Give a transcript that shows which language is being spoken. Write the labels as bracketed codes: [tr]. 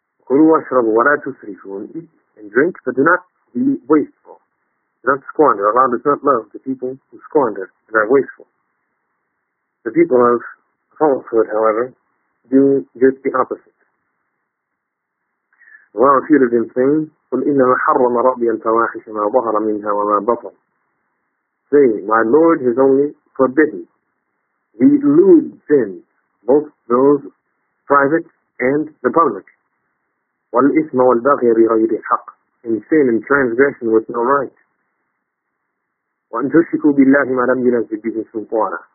[ar] قُلُوا وَاشْرَبُوا وَلَا تُسْرِفُوا. [en] Eat and drink, but do not be wasteful. Do not squander. Allah does not love the people who squander and are wasteful. The people of falsehood, however, do just the opposite. Allah refuted them saying, [ar] قُلْ إِنَّمَا حَرَّمَ رَبِّيَ الْفَوَاحِشَ مَا ظَهَرَ مِنْهَا وَمَا بَطَنَ. [en] Say, my Lord has only forbidden the lewd sins, both those private and the public. [ar] وَالْإِثْمَ وَالْبَغْيَ بِغَيْرِ حَقٍّ. [en] In sin and transgression with no right. [ar] وَأَنْ تُشْرِكُوا بِاللَّهِ مَا لَمْ يُنَزِّلْ بِهِ سُلْطَانًا.